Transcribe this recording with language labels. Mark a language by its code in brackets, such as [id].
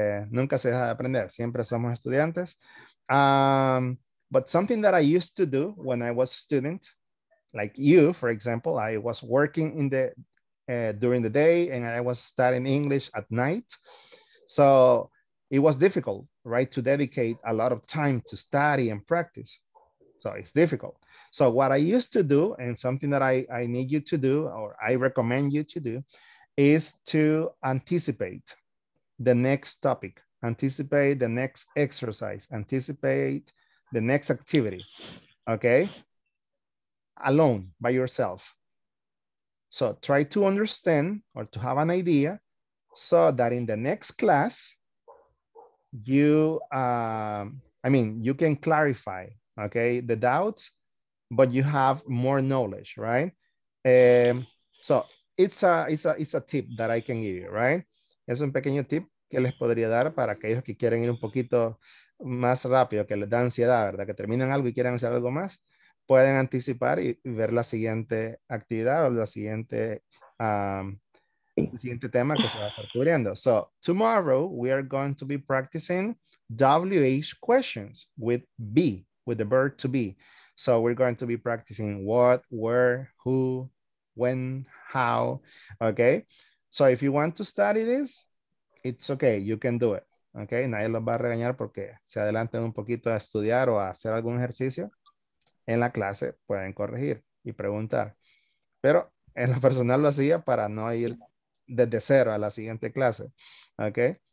[es] Nunca se deja de aprender, siempre somos estudiantes. [en] But something that I used to do when I was a student, like you, for example, I was working in the during the day and I was studying English at night. So it was difficult, right, to dedicate a lot of time to study and practice. So it's difficult. So what I used to do and something that I need you to do or I recommend you to do is to anticipate the next topic, anticipate the next exercise, anticipate the next activity, okay? Alone, by yourself. So try to understand or to have an idea so that in the next class, you can clarify, okay, the doubts, but you have more knowledge, right? So it's a tip that I can give you, right? [es] Es un pequeño tip. que les podría dar para aquellos que quieren ir un poquito más rápido, que les da ansiedad, ¿verdad? Que terminan algo y quieren hacer algo más, pueden anticipar y ver la siguiente actividad o la siguiente, el siguiente tema que se va a estar cubriendo. [en] So, tomorrow we are going to be practicing WH questions with be, with the verb to be. So we're going to be practicing what, where, who, when, how, okay? So if you want to study this, it's okay, you can do it, okay? [es] Nadie los va a regañar porque se adelantan un poquito a estudiar o a hacer algún ejercicio. En la clase pueden corregir y preguntar. Pero en lo personal lo hacía para no ir desde cero a la siguiente clase, okay?